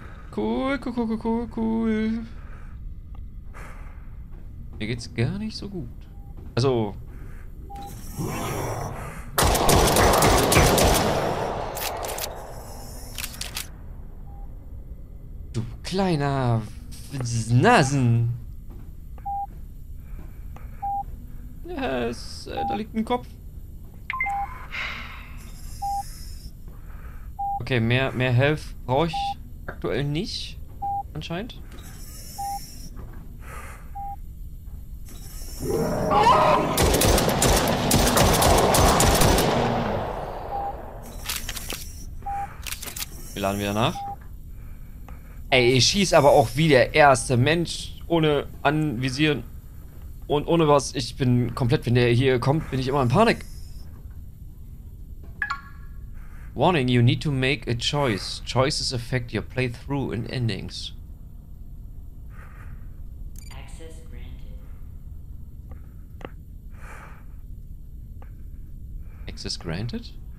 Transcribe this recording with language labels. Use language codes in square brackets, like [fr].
[en] Cool, cool, cool, cool, cool, cool. [de] Mir geht's gar nicht so gut. Also. Du kleiner Nasen. Yes, da liegt ein Kopf. Okay, mehr Health brauche ich aktuell nicht, anscheinend. Wir laden wieder nach. Ey, ich schieße aber auch wie der erste Mensch, ohne anvisieren und ohne was. Ich bin komplett, wenn der hier kommt, bin ich immer in Panik. [en] Warning, you need to make a choice. Choices affect your playthrough and endings. Access granted. Access granted?